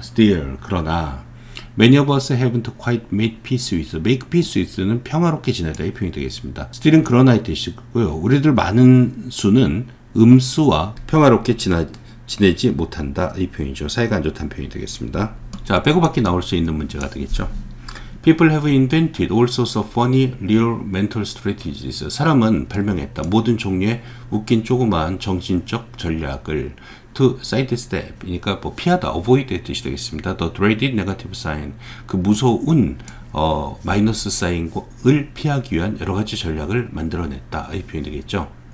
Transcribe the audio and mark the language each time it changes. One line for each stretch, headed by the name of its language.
English: still,
Korean: 그러나
English: many of us haven't quite made peace with, make peace with는
Korean: 평화롭게 지내다, 이 표현이 되겠습니다. still은 그러나의 뜻이고요. 우리들 많은 수는 음수와 평화롭게 지내지 못한다, 이 표현이죠. 사이가 안 좋다는 표현이 되겠습니다. 자, 빼고밖에 나올 수 있는 문제가 되겠죠.
English: People have invented all sorts of funny, real mental strategies.
Korean: 사람은 발명했다, 모든 종류의 웃긴 조그마한 정신적 전략을.
English: To sidestep,
Korean: 그러니까 뭐 피하다, avoid의 뜻이 되겠습니다.
English: The dreaded negative sign,
Korean: 그 무서운 마이너스 사인을 피하기 위한 여러 가지 전략을 만들어냈다, 이 표현이 되겠죠.